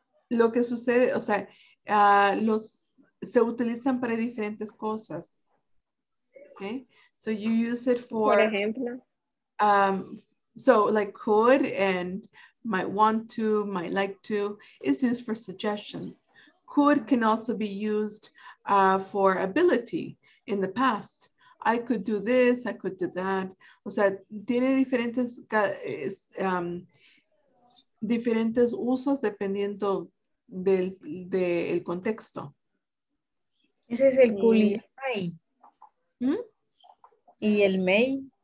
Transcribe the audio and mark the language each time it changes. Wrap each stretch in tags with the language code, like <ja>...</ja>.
<es>Lo que sucede, o sea, los se utilizan para diferentes cosas.</es> <en>Ok. So you use it for.</en> <es>Por ejemplo.</es> <en>So like could and might want to, might like to. It's used for suggestions. Could can also be used for ability in the past. I could do this, I could do that.</en> <es>O sea, tiene diferentes, diferentes usos dependiendo del contexto. Ese es el cool y el may. ¿Y el may?</es>